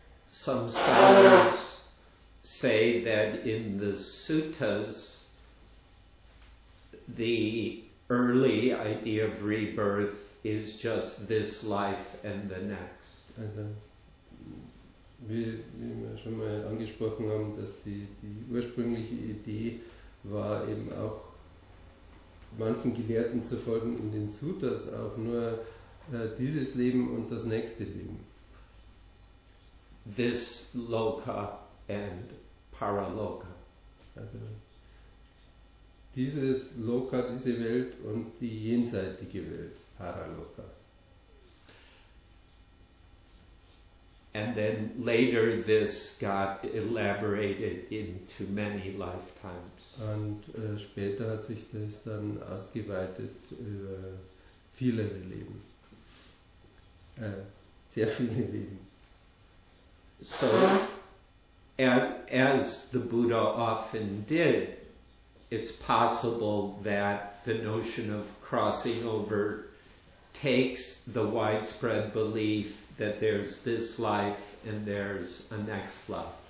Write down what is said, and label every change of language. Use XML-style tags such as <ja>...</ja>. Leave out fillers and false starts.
<en>Some scholars say that in the suttas the early idea of rebirth is just this life and the next.</en> <de>Also, wie wir schon mal angesprochen haben, dass die ursprüngliche Idee war, eben auch manchen Gelehrten zu folgen in den Suttas, auch nur dieses Leben und das nächste Leben.</de> <en>This Loka and Paraloka.</en> <de>Also dieses Loka, diese Welt und die jenseitige Welt, Paraloka.</de> <en>And then later this got elaborated into many lifetimes.</en> <de>Und später hat sich das dann ausgeweitet über viele Leben. Sehr viele Leben.</de> <en>So, as the Buddha often did, it's possible that the notion of crossing over takes the widespread belief that there's this life and there's a next life.</en>